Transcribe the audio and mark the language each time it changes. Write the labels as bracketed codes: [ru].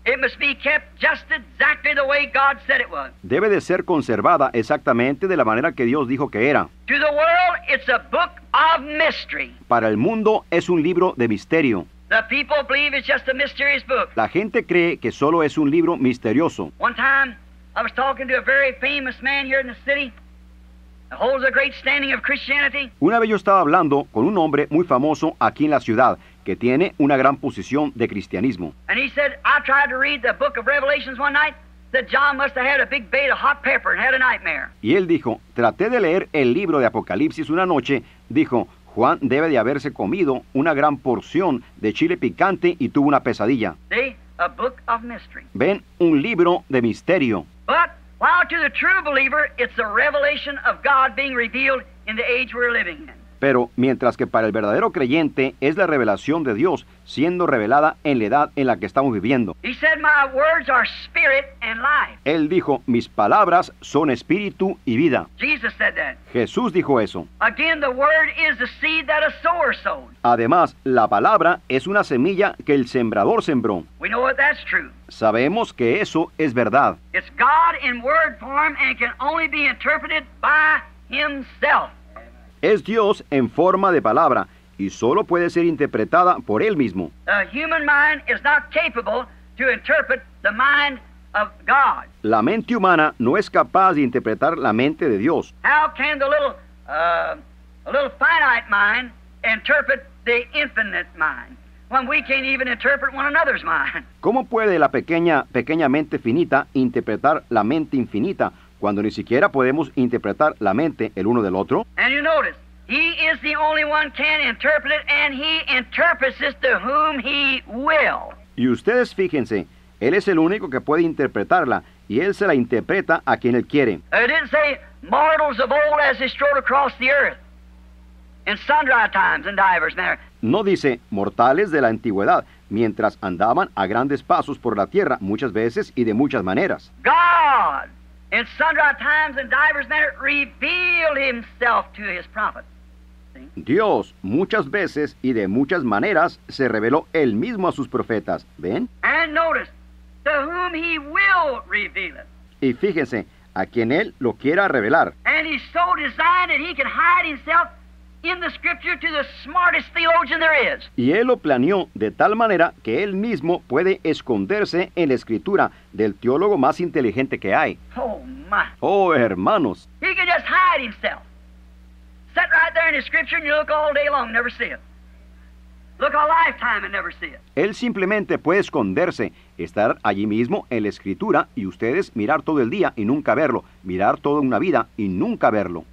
[en] It must be kept just exactly the way God said it was. [es] Debe de ser conservada exactamente de la manera que Dios dijo que era. [en] To the world, it's a book of mystery. [es] Para el mundo es un libro de misterio. [en] The people believe it's just a mysterious book. [es] La gente cree que solo es un libro misterioso. [en] One time, I was talking to a very famous man here in the city that holds a great standing of Christianity. [es] Una vez yo estaba hablando con un hombre muy famoso aquí en la ciudad que tiene una gran posición de cristianismo. [en] And he said, I tried to read the book of Revelations one night, that John must have had a big bait of hot pepper and had a nightmare. [es] Y él dijo, traté de leer el libro de Apocalipsis una noche, dijo, Juan debe de haberse comido una gran porción de chile picante y tuvo una pesadilla. ¿Sí? [en] A book of mystery. [es] Ven, un libro de misterio. [en] But while to the true believer, it's the revelation of God being revealed in the age we're living in. [es] Pero mientras que para el verdadero creyente es la revelación de Dios siendo revelada en la edad en la que estamos viviendo. [en] He said, "My words are spirit and life." [es] Él dijo, "Mis palabras son espíritu y vida." [en] Jesus said that. [es] Jesús dijo eso. [en] Again, the word is the seed that a sower sowed. [es] Además, la palabra es una semilla que el sembrador sembró. [en] We know that that's true. [es] Sabemos que eso es verdad. [en] It's God in word form and can only be interpreted by Himself. [es] Es Dios en forma de palabra y solo puede ser interpretada por Él mismo. [en] The human mind is not capable to interpret the mind of God. [es] La mente humana no es capaz de interpretar la mente de Dios. [en] How can the little finite mind interpret the infinite mind when we can't even interpret one another's mind? [es] ¿Cómo puede la pequeña mente finita interpretar la mente infinita cuando ni siquiera podemos interpretar la mente el uno del otro? [en] And you notice, he is the only one can interpret it, and he interprets it to whom he will. [es] Y ustedes fíjense, Él es el único que puede interpretarla, y Él se la interpreta a quien Él quiere. [en] It didn't say mortals of old as they strode across the earth in sundry times and divers manner. [es] No dice mortales de la antigüedad, mientras andaban a grandes pasos por la tierra muchas veces y de muchas maneras. [en] God, in sundry times and divers manner, revealed Himself to His prophet. [es] Dios, muchas veces y de muchas maneras, se reveló Él mismo a sus profetas. ¿Ven? [en] And notice, to whom He will reveal it. [es] Y fíjense, a quien Él lo quiera revelar. [en] And He's so designed that He can hide Himself in the Scripture to the smartest theologian there is. [es] Y Él lo planeó de tal manera que Él mismo puede esconderse en la Escritura del teólogo más inteligente que hay. [en] Oh, my. [es] Oh, hermanos. [en] He can just hide Himself. Sit right there in the Scripture and you look all day long, never see it. Look a lifetime and never see it. [es] Él simplemente puede esconderse, estar allí mismo en la Escritura y ustedes mirar todo el día y nunca verlo, mirar toda una vida y nunca verlo.